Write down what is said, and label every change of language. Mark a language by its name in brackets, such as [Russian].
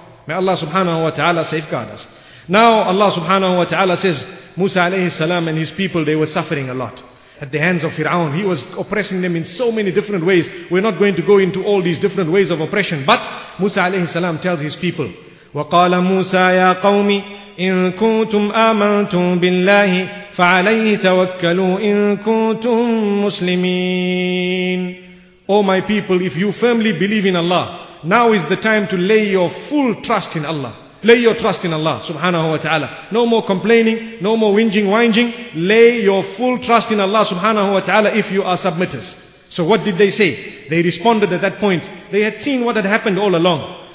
[English] May Allah subhanahu wa ta'ala safeguard us. Now Allah subhanahu wa ta'ala says, Musa alayhi salam and his people, they were suffering a lot at the hands of Fir'aun. He was oppressing them in so many different ways. We're not going to go into all these different ways of oppression, but Musa alayhi salam tells his people, [Arabic] وقال موسى يا قوم إن كنتم آمنتم بالله فعليه توكلوا إن كنتم مسلمين. [English] O my people, if you firmly believe in Allah, now is the time to lay your full trust in Allah. Lay your trust in Allah subhanahu wa ta'ala. No more complaining, no more whinging, whinging. Lay your full trust in Allah subhanahu wa ta'ala if you are submitters. So what did they say? They responded at that point. They had seen what had happened all along.